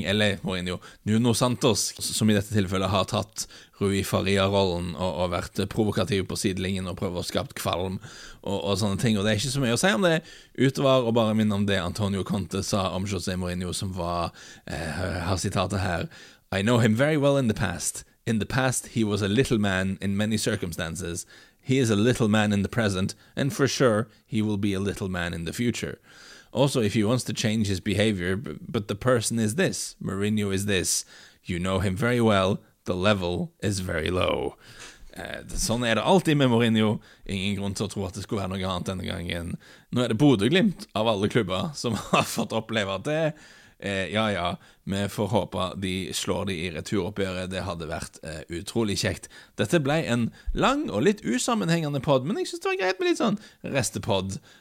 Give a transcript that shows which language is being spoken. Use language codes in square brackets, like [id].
[no] Eller Mourinho, Nuno Santos, som i dette tilfellet har tatt Rui Faria-rollen og vært provokativ på sidelinjen og prøvd å skapt kvalm og sånne ting. Og det er ikke så mye å si om det utover, og bare minne om det Antonio Conte sa om José Mourinho, som var, har sitatet her: [en] I know him very well in the past. In the past he was a little man in many circumstances. He is a little man in the present, and for sure, he will be a little man in the future. Also, if he wants to change his behavior, but the person is this, Mourinho is this, you know him very well, the level is very low. [no] Sånn det alltid med Mourinho, ingen grunn til å tro at det skulle være noe annet denne gangen. Nå det Bodø Glimt av alle klubber som har fått oppleve det. Ja, vi får håpe de slår de i returoppgjøret, det hadde vært utrolig kjekt. Dette ble en lang og litt usammenhengende podd, men jeg synes det var greit med litt sånn restepodd.